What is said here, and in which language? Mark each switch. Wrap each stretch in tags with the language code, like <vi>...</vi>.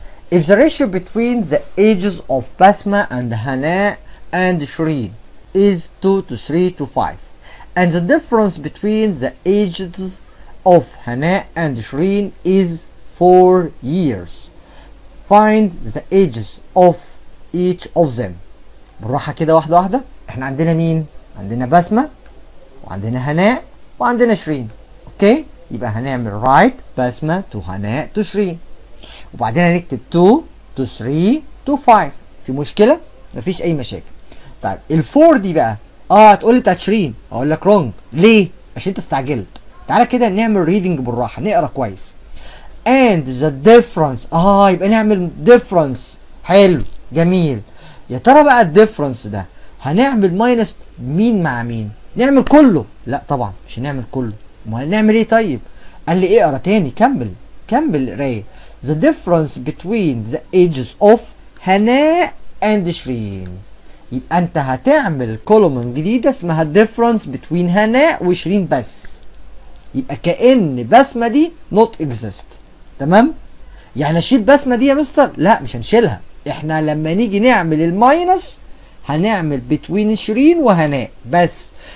<en>If the ratio between the ages of Basma and Hana and Shireen is 2 to 3 to 5 and the difference between the ages of Hana and Shireen is 4 years find the ages of each of them.</en> <ar>بنروحها كده واحدة واحدة. احنا عندنا مين؟ عندنا بسمة وعندنا هناء وعندنا شيرين. اوكي؟ يبقى هنعمل رايت بسمة تو هناء تو شيرين. وبعدين هنكتب 2 تو 3 تو 5. في مشكلة؟ مفيش أي مشاكل. طيب الفور دي بقى هتقول لي بتاعت شيرين. أقول لك رونج. ليه؟ عشان أنت استعجلت. تعالى كده نعمل ريدنج بالراحة، نقرا كويس.</ar> <en>And the difference</en> <ar>يبقى نعمل</ar> <en>difference.</en> <ar>حلو جميل. يا ترى بقى الديفرنس ده هنعمل ماينس مين مع مين؟ نعمل كله؟ لا طبعا مش هنعمل كله. امال نعمل ايه طيب؟ قال لي اقرا تاني، كمل كمل القرايه.</ar> <en>The difference between the ages of Hana and Shereen.</en> <ar>يبقى انت هتعمل كولومن جديده اسمها</ar> <en>difference between</en> <ar>هناء وشيرين بس. يبقى كان بسمه دي</ar> <en>not exist.</en> <ar>تمام؟ يعني اشيل بسمه دي يا مستر؟ لا مش هنشيلها. احنا لما نيجي نعمل الماينس هنعمل بتوين شيرين وهناء بس.</ar>